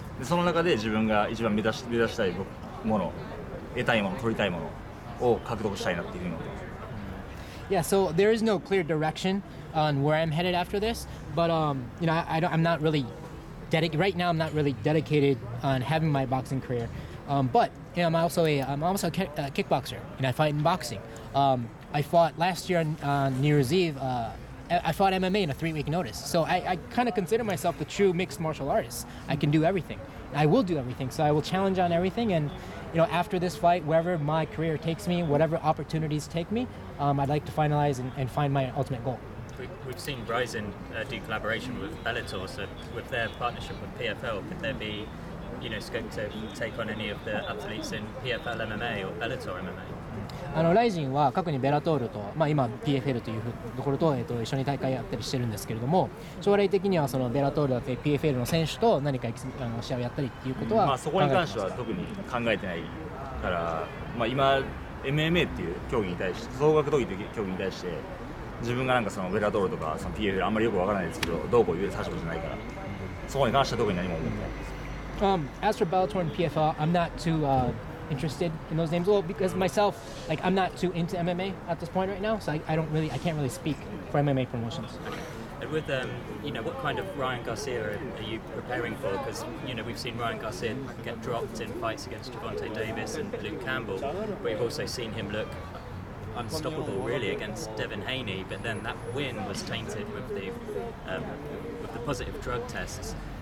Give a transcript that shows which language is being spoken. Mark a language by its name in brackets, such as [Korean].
[Japanese] でその中で自分が一番目指したいもの、得たいもの、取りたいものを獲得したいなというふうに思ってます。 [English] Yeah, so there is no clear direction on where I'm headed after this, but you know, I'm not really dedicated on having my boxing career, but you know, I'm also a kickboxer, and I fight in boxing. I fought last year on New Year's Eve. I fought MMA in a 3-week notice. So I kind of consider myself the true mixed martial artist. I can do everything. I will do everything. So I will challenge on everything. And you know, after this fight, wherever my career takes me, whatever opportunities take me, I'd like to finalize and find my ultimate goal. We've seen Ryzen do collaboration with Bellator. So with their partnership with PFL, could there be, you know, scope to take on any of the athletes in PFL MMA or Bellator MMA? [Japanese] ライジンは過去にベラトールと、まあ、今 PFL というところ と、一緒に大会やったりしてるんですけれども、将来的にはそのベラトールだったり PFL の選手と何か試合をやったりっていうことは、まあ、そこに関しては特に考えてないから、まあ、今 MMA っていう競技に対して、総合格闘技という競技に対して自分がなんかそのベラトールとかその PFL あんまりよくわからないですけど、どうこう言える立場じゃないから、そこに関しては特に何も思ってない。 [English] As for Bellator and PFL, I'm not toointerested in those names. Well, because myself, like, I'm not too into MMA at this point right now, so I can't really speak for MMA promotions. Okay. And with, you know, what kind of Ryan Garcia are you preparing for? Because, you know, we've seen Ryan Garcia get dropped in fights against Javonte Davis and Luke Campbell, but we've also seen him look unstoppable, really, against Devin Haney, but then that win was tainted with the positive drug tests.